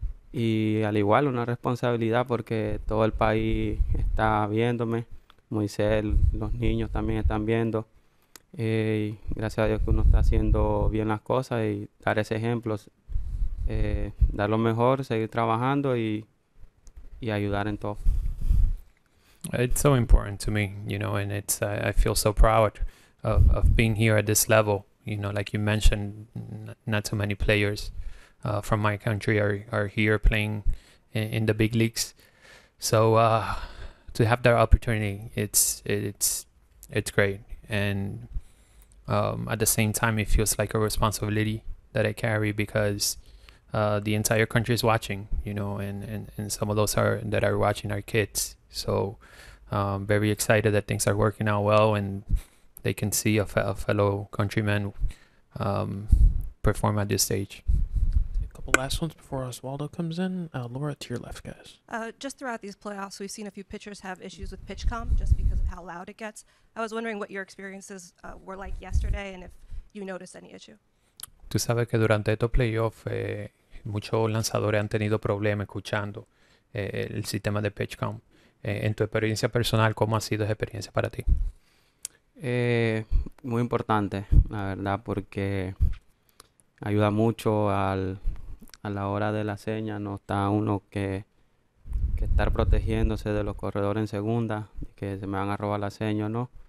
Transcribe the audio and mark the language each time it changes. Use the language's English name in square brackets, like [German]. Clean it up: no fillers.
[Spanish] Y al igual una responsabilidad porque todo el país está viéndome, Moisés, los niños también están viendo. Y gracias a Dios que uno está haciendo bien las cosas y dar ese ejemplo, dar lo mejor, seguir trabajando y ayudar en todo. [English] It's so important to me, you know, and it's I feel so proud of being here at this level. You know, like you mentioned, not too many players from my country are here playing in the big leagues. So to have that opportunity, it's great. And at the same time, it feels like a responsibility that I carry because the entire country is watching, you know, and some of those that are watching are kids. So very excited that things are working out well and they can see a fellow countryman perform at this stage. Last ones before Oswaldo comes in. Laura, to your left, guys. Just throughout these playoffs, we've seen a few pitchers have issues with pitch comp just because of how loud it gets. I was wondering what your experiences were like yesterday and if you noticed any issue. [Spanish] Tú sabes que durante estos playoffs muchos lanzadores han tenido problemas escuchando el sistema de pitch comp. En tu experiencia personal, ¿cómo ha sido esa experiencia para ti? Muy importante, la verdad, porque ayuda mucho a la hora de la seña, no está uno que estar protegiéndose de los corredores en segunda, que se me van a robar la seña o no.